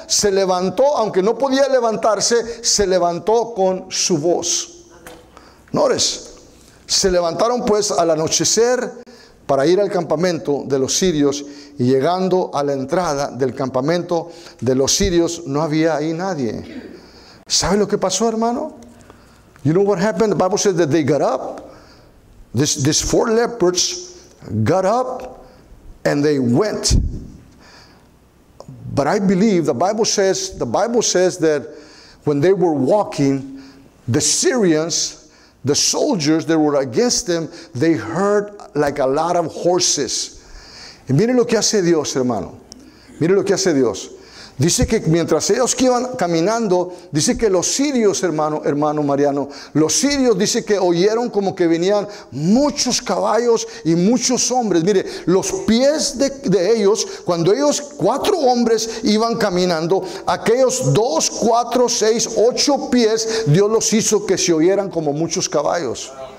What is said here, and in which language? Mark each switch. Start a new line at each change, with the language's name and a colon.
Spanish: Se levantó, aunque no podía levantarse, se levantó con su voz. Nores, se levantaron pues al anochecer para ir al campamento de los sirios, y llegando a la entrada del campamento de los sirios, no había ahí nadie. ¿Sabe lo que pasó, hermano?
English: You know what happened? The Bible says that they got up. These four lepers got up and they went. But I believe the Bible says that when they were walking, the Syrians, the soldiers that were against them, they heard like a lot of horses.
Spanish: Y mire lo que hace Dios, hermano. Mire lo que hace Dios. Dice que mientras ellos iban caminando, dice que los sirios, hermano Mariano, los sirios, dice que oyeron como que venían muchos caballos y muchos hombres. Mire, los pies de ellos, cuando ellos cuatro hombres iban caminando, aquellos dos, cuatro, seis, ocho pies, Dios los hizo que se oyeran como muchos caballos.